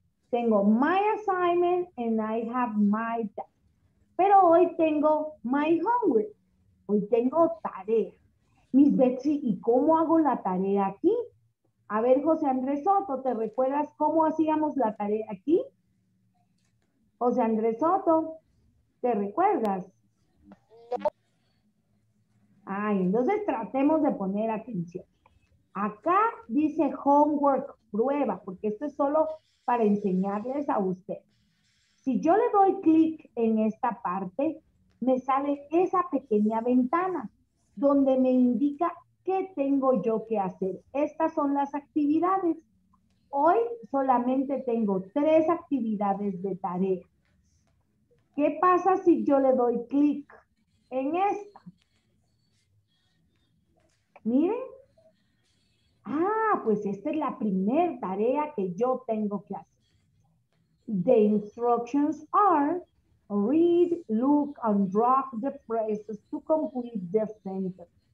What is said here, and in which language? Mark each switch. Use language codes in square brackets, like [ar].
[es] Tengo [en] My Assignment and I have My Test. [es] Pero hoy tengo My Homework. Hoy tengo tarea. Miss Betsy, ¿y cómo hago la tarea aquí? A ver, José Andrés Soto, ¿te recuerdas cómo hacíamos la tarea aquí? José Andrés Soto, ¿te recuerdas? Ay, entonces tratemos de poner atención. Acá dice homework, prueba, porque esto es solo para enseñarles a usted. Si yo le doy clic en esta parte, me sale esa pequeña ventana donde me indica qué tengo yo que hacer. Estas son las actividades. Hoy solamente tengo 3 actividades de tarea. ¿Qué pasa si yo le doy clic en esta? Miren. Ah, pues esta es la primera tarea que yo tengo que hacer. [en] The instructions are... read, look, and drop the phrases to complete the sentence.